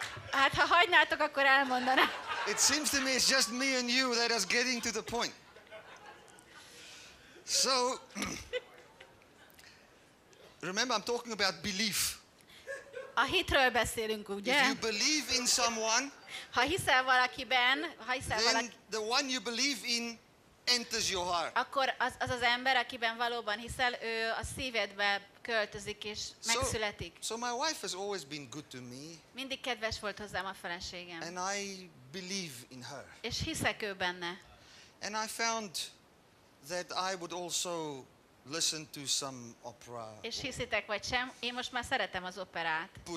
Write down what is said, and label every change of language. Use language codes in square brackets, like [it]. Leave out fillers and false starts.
[hu] Hát ha hagynátok, akkor elmondanám. [en] It seems to me it's just me and you that is getting to the point. So, remember I'm talking about belief. [hu] A hitről beszélünk, ugye? [en] If you believe in someone, [hu] ha hiszel valakiben, ha hiszel [en] then [hu] valaki, [en] the one you believe in enters your heart. [hu] Akkor az ember, akiben valóban hiszel, ő a szívedbe költözik és megszületik. [en] So my wife has always been good to me. [hu] Mindig kedves volt hozzám a feleségem. [en] And I believe in her. [hu] És hiszek ő benne. [en] And I found that I would also listen to some opera. [hu] És hiszitek vagy sem, én most már szeretem az operát.